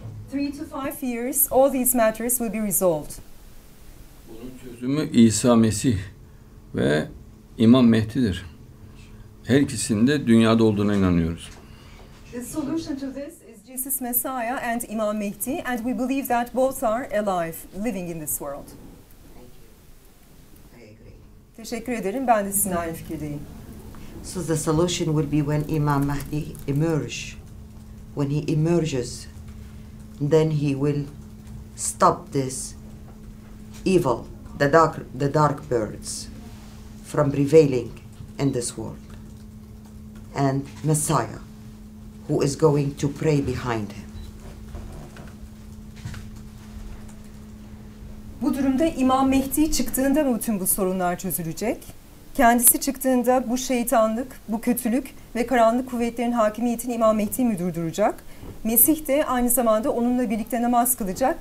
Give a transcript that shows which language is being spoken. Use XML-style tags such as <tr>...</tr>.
<en>3 to 5 years, all these matters will be resolved.</en> <tr>Bunun çözümü İsa Mesih ve İmam Mehdi'dir. Her ikisinde dünyada olduğuna inanıyoruz.</tr> <en>The solution to this is Jesus Messiah and Imam Mehdi, and we believe that both are alive, living in this world. Thank you. I agree.</en> <tr>Teşekkür ederim. Ben de sizinle aynı fikirdeyim.</tr> <en>So the solution will be when Imam Mehdi emerges, when he emerges, then he will stop this evil, the dark birds, from prevailing in this world. And Messiah, who is going to pray behind him.</en> <tr>Bu durumda İmam Mehdi çıktığında mı bütün bu sorunlar çözülecek? Kendisi çıktığında bu şeytanlık, bu kötülük ve karanlık kuvvetlerin hakimiyetini İmam Mehdi mi durduracak? Mesih de aynı zamanda onunla birlikte namaz kılacak.</tr>